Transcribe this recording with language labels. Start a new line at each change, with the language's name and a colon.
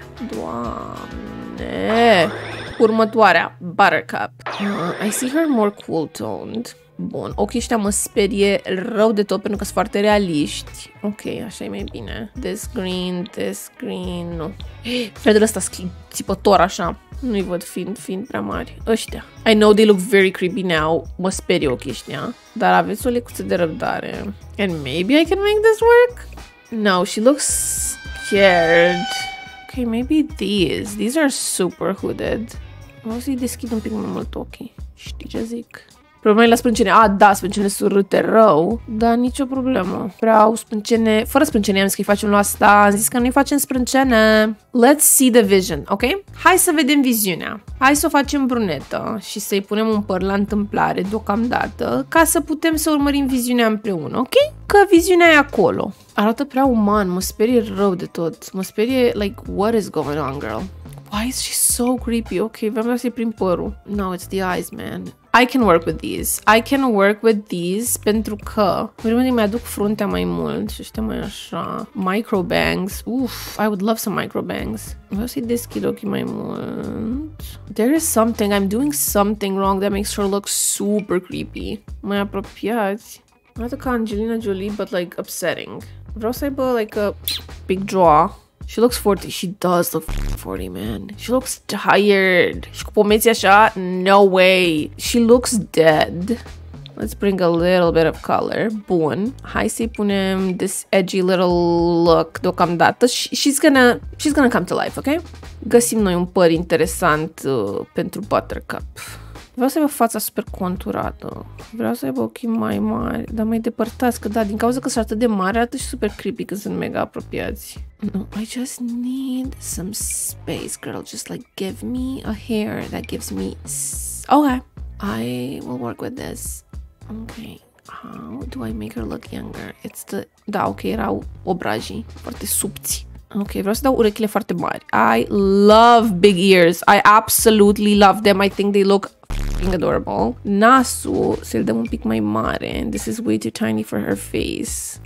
Romanian: Doamne. Următoarea, buttercup.
English: I see her more cool-toned.
Romanian: Bun, ochii ăștia mă sperie rău de tot pentru că sunt foarte realiști. Ok, așa e mai bine.
English: This green, this green,
Romanian: nu. Fredul ăsta țipător așa. Nu-i văd fiind prea mari.
English: Ăștia. I know they look very creepy now.
Romanian: Mă sperie ochii ăștia. Dar aveți o lecuță de răbdare.
English: And maybe I can make this work? No, she looks scared. Ok, maybe these. These are super hooded.
Romanian: O să-i deschid un pic mai mult ochii. Știi ce zic? Problema e la sprâncene. Ah, da, sprâncene surâte rău, dar nicio problemă. Vreau sprâncene, fără sprâncene, am zis că îi facem la asta, am zis că nu-i facem sprâncene.
English: Let's see the vision, ok?
Romanian: Hai să vedem viziunea. Hai să o facem brunetă și să-i punem un păr la întâmplare deocamdată, ca să putem să urmărim viziunea împreună, ok? Că viziunea e acolo. Arată prea uman, mă sperie rău de tot. Mă sperie,
English: like, what is going on, girl? Why is she so creepy?
Romanian: Ok, vreau să-i prind părul.
English: No, it's the eyes, man. I can work with these. I can work with these
Romanian: pentru că primul îmi aduc fruntea mai mult și ăștia mai așa.
English: Micro bangs. Uf, I would love some micro bangs.
Romanian: Vreau să-i deschid ochii mai mult.
English: There is something. I'm doing something wrong that makes her look super creepy.
Romanian: Mai apropiați. Arată ca Angelina Jolie,
English: but like upsetting.
Romanian: Vreau să aibă
English: like a big jaw. She looks 40. She does look 40, man. She looks tired. Și cu pomeții așa? No way. She looks dead. Let's bring a little bit of color. Bun.
Romanian: Hai să-i punem
English: this edgy little look
Romanian: deocamdată. She's gonna come to life, ok? Găsim noi un păr interesant pentru buttercup. Vreau să aibă fața super conturată. Vreau să aibă ochii mai mari, dar mai depărtați, că da, din cauza că sunt atât de mari, arată și super creepy când sunt mega apropiați.
English: No, I just need some space, girl. Just like give me a hair that gives me... Okay, I will work with this. Okay, how do I make her look younger? It's the...
Romanian: Da, okay, erau obrajii foarte subți. Ok, vreau să dau urechile foarte mari.
English: I love big ears. I absolutely love them. I think they look f***ing adorable.
Romanian: Nasul să-l dăm un pic mai mare.
English: This is way too tiny for her face.